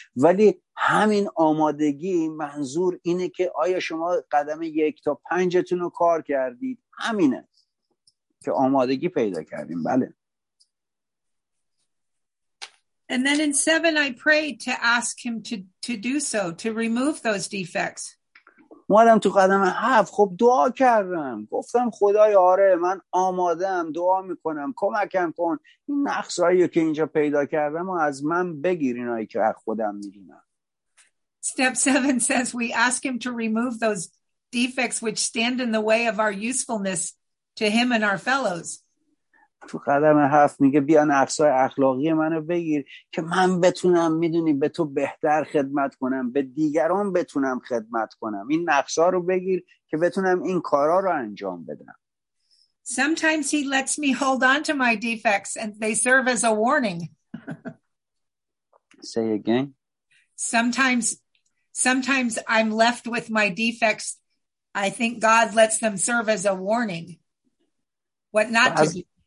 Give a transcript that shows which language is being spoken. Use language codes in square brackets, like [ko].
[fa] ولی همین آمادگی منظور اینه که آیا شما قدم 1 تا 5تون رو کار کردید؟ همینه که آمادگی پیدا کردیم. بله. [en] And then in 7, I prayed to ask him to do so, to remove those defects. [fa] مادم تو قدم 7 خب دعا کردم. گفتم خدای آره من آمادم دعا میکنم. کمکم کن. این نقصایی که اینجا پیدا کردم و از من بگیر اینایی که از خودم میدونم. [en] Step 7 says we ask him to remove those defects which stand in the way of our usefulness to him and our fellows. [fa] تو قدم 7 میگه بیا نقصای اخلاقی منو بگیر که من بتونم میدونی به تو بهتر خدمت کنم، به دیگران بتونم خدمت کنم. این نقصا رو بگیر که بتونم این کارا رو انجام بدم. [en] Sometimes he lets me hold on to my defects and they serve as a warning. Say again. Sometimes I'm left with my defects. I think God lets them serve as a warning. What not to do.